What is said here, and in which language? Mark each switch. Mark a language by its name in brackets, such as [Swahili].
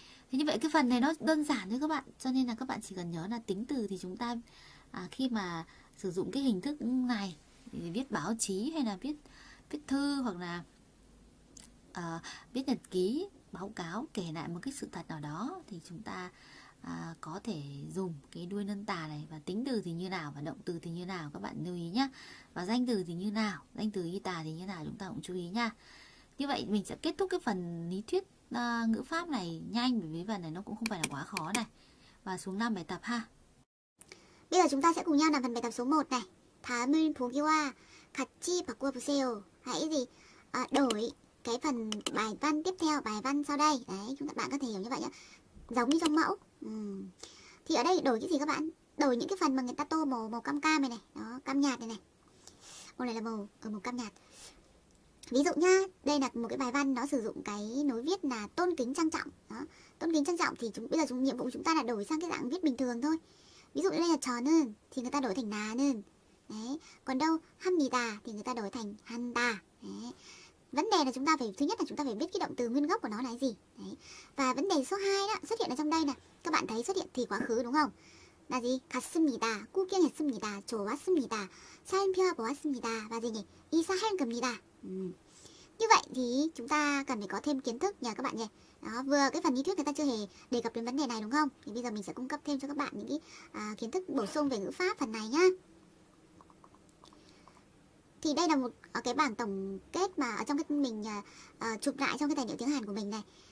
[Vietnamese] Thế như vậy cái phần này nó đơn giản thôi các bạn, cho nên là các bạn chỉ cần nhớ là tính từ thì chúng ta khi mà sử dụng cái hình thức này thì viết báo chí hay là viết viết thư hoặc là viết nhật ký báo cáo kể lại một cái sự thật nào đó thì chúng ta có thể dùng cái đuôi nân tả này, và tính từ thì như nào và động từ thì như nào các bạn lưu ý nhé, và danh từ thì như nào, danh từ y tá thì như nào chúng ta cũng chú ý nha. Như vậy mình sẽ kết thúc cái phần lý thuyết ngữ pháp này nhanh, bởi vì phần này nó cũng không phải là quá khó này, và xuống làm bài tập ha. Bây giờ chúng ta sẽ cùng nhau làm phần bài tập số 1 này. [Korean] 다음을 보기와 같이 바꿔 보세요. [Vietnamese] Hãy gì đổi cái phần bài văn tiếp theo, bài văn sau đây. Đấy, chúng ta bạn có thể hiểu như vậy nhé. Giống như trong mẫu. Thì ở đây đổi cái gì các bạn? Đổi những cái phần mà người ta tô màu màu cam cam này này, đó, cam nhạt này này. Màu này là màu ở màu cam nhạt. Ví dụ nhá, đây là một cái bài văn nó sử dụng cái lối viết là tôn kính trang trọng. Đó, tôn kính trang trọng thì bây giờ nhiệm vụ của chúng ta là đổi sang cái dạng viết bình thường thôi. Ví dụ như đây là chờ는 thì người ta đổi thành 나는 đấy, còn đâu 합니다 thì người ta đổi thành 한다 đấy. Vấn đề là chúng ta phải, thứ nhất là chúng ta phải biết cái động từ nguyên gốc của nó là cái gì đấy. Và vấn đề số 2 đó xuất hiện ở trong đây nè, các bạn thấy xuất hiện thì quá khứ đúng không, là gì? [Korean] 갔습니다, 구경했습니다, 좋았습니다, 살펴보았습니다 [Vietnamese] và gì nhỉ, [Korean] 이사할 겁니다. [Vietnamese] Như vậy thì chúng ta cần phải có thêm kiến thức nhờ các bạn nhỉ. Đó, vừa cái phần lý thuyết người ta chưa hề đề cập đến vấn đề này đúng không? Thì bây giờ mình sẽ cung cấp thêm cho các bạn những cái kiến thức bổ sung về ngữ pháp phần này nhá. Thì đây là một cái bảng tổng kết mà ở trong cái mình chụp lại trong cái tài liệu tiếng Hàn của mình này.